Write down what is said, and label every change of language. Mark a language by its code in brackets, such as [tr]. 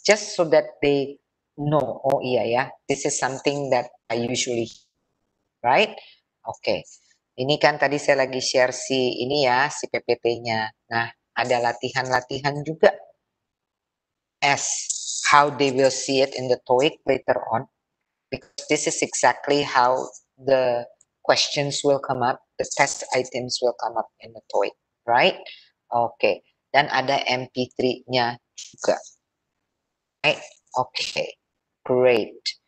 [en] Just so that they know, [id] oh iya ya, [en] this is something that I usually, right? [id] Okay, ini kan tadi saya lagi share si ini ya, si PPT-nya. Nah, ada latihan-latihan juga. S. [en] How they will see it in the TOEIC later on, because this is exactly how the questions will come up, the test items will come up in the TOEIC, right? [id] Okay, dan ada MP3-nya juga, right? [en] Okay, great.